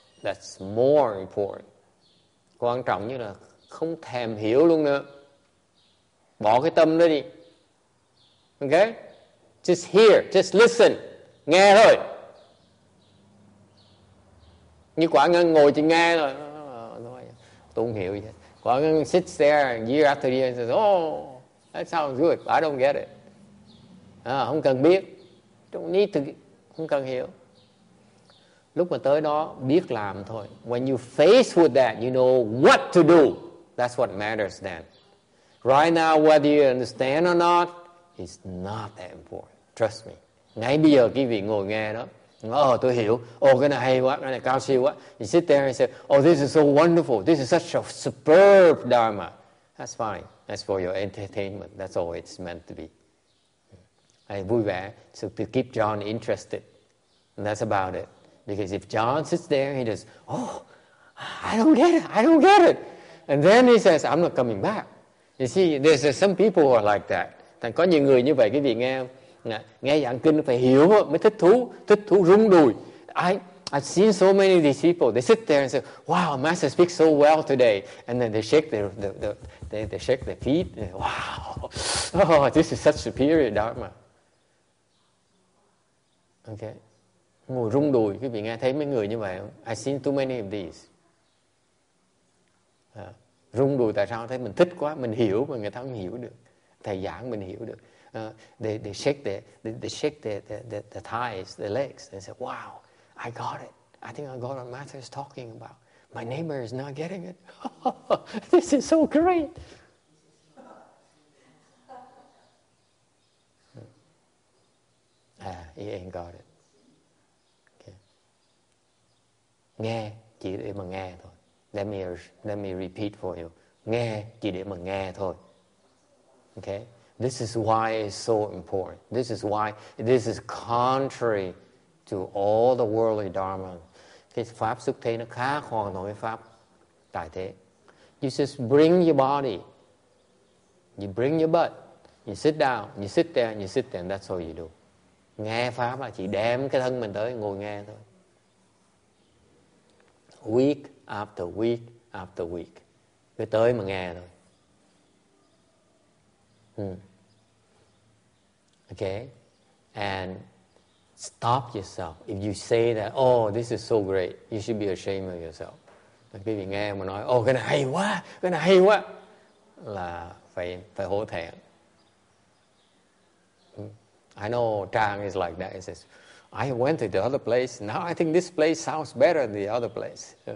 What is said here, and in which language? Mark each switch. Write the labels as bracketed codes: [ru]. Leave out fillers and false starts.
[en] That's more important. [vi] Quan trọng như là không thèm hiểu luôn nữa. Bỏ cái tâm đó đi. [en] Okay? Just hear, just listen. [vi] Nghe thôi. Như Quả Ngân ngồi chỉ nghe thôi. Tôi không hiểu gì. [en] Quả Ngân sits there and year after year and says, oh, that sounds good. I don't get it. [vi] À, không cần biết. [en] Don't need to, [vi] không cần hiểu. Lúc mà tới đó, biết làm thôi. [en] When you face with that, you know what to do. That's what matters then. Right now, whether you understand or not, it's not that important. Trust me. [vi] Ngay bây giờ, quý vị ngồi nghe đó. Oh, tôi hiểu. Oh, cái này hay quá. Cái này cao siêu quá. [en] You sit there and say, oh, this is so wonderful. This is such a superb dharma. That's fine. That's for your entertainment. That's all it's meant to be. [vi] Hay vui vẻ. [en] So to keep John interested. And that's about it. Because if John sits there, he says, oh, I don't get it. I don't get it. And then he says, I'm not coming back. You see, there's some people who are like that. [vi] Thành có nhiều người như vậy, quý vị nghe không? Nghe giảng kinh phải hiểu mới thích thú rung đùi. [en] I've seen so many of these people. They sit there and say, wow, Master speaks so well today. And then they shake their they shake their feet. And say, wow, oh, this is such superior dharma. [vi] Okay, ngồi rung đùi. Quý vị nghe thấy mấy người như vậy không? [en] I've seen too many of these. [vi] Rung đùi tại sao? Thấy mình thích quá, mình hiểu mà người ta không hiểu được. Thầy giảng mình hiểu được. [en] They shake the thighs, the legs, and say, wow, I got it. I think I got what Master is talking about. My neighbor is not getting it. This is so great. He ain't got it. [vi] Okay. Nghe, chỉ để mà nghe thôi. [en] Let me repeat for you. [vi] Nghe, chỉ để mà nghe thôi. Okay? [en] This is why it's so important. This is why this is contrary to all the worldly dharma. [vi] Cái pháp xuất thế nó khác hoàn toàn với pháp tại thế. [en] You just bring your body. You bring your butt. You sit down. You sit there. You sit there. And that's all you do. [vi] Nghe pháp là chỉ đem cái thân mình tới ngồi nghe thôi. [en] Week after week after week. [vi] Cứ tới mà nghe thôi. [en] Okay, and stop yourself. If you say that, oh, this is so great, you should be ashamed of yourself. Like people [vi] nghe mà nói, oh, cái này hay quá, cái này hay quá, là phải hổ thẹn. [en] I know Trang is like that. He says, I went to the other place. Now I think this place sounds better than the other place.